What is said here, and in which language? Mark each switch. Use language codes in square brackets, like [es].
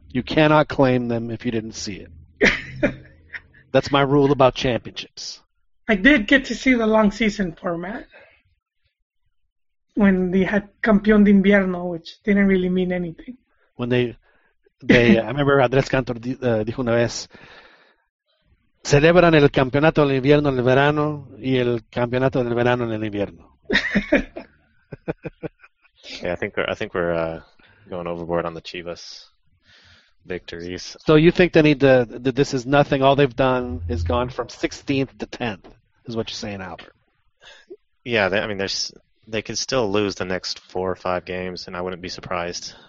[en] You cannot claim them if you didn't see it. That's my rule about championships. I did get to see the long season format when they had Campeón de Invierno, which didn't really mean anything. When they I remember Andrés Cantor [es] dijo una vez. Celebran el campeonato del invierno en el verano y el campeonato del verano en el invierno. [en] Yeah, I think we're going overboard on the Chivas victories. So you think they need that this is nothing? All they've done is gone from 16th to 10th, is what you're saying, Albert? Yeah, they could still lose the next 4 or 5 games, and I wouldn't be surprised.